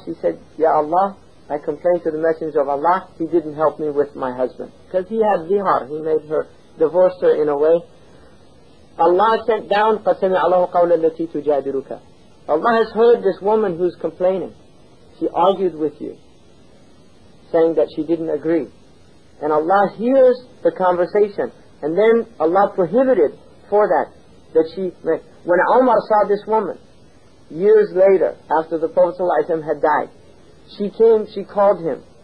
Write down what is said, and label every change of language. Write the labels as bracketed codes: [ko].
[en] She said, Ya Allah, I complained to the Messenger of Allah. He didn't help me with my husband. Because he had zihar. He made her, divorced her in a way. [ar] Allah sent down, فَسَمِعَ اللَّهُ قَوْلَ الَّتِي تُجَادِلُكَ. [en] Allah has heard this woman who's complaining. She argued with you, saying that she didn't agree. And Allah hears the conversation. And then Allah prohibited for that she... When Umar saw this woman, years later, after the Prophet ﷺ had died, she came, she called him.